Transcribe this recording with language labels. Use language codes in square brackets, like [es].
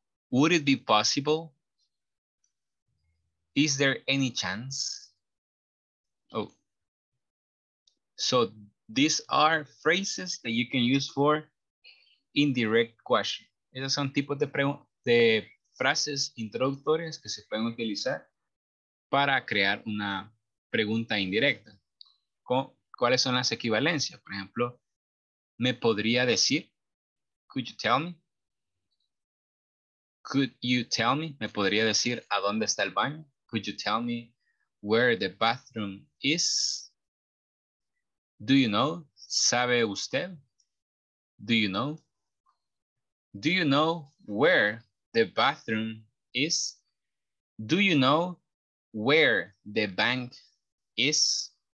[en] Would it be possible? Is there any chance? Oh, so these are phrases that you can use for indirect question. [es] Esos son tipos de frases introductorias que se pueden utilizar para crear una pregunta indirecta. ¿Cuáles son las equivalencias? Por ejemplo, ¿me podría decir? Could you tell me? [en] Could you tell me? [es] ¿Me podría decir a dónde está el baño? [en] Could you tell me where the bathroom is? Do you know? ¿Sabe usted? Do you know? Do you know where the bathroom is? Do you know where the bank is?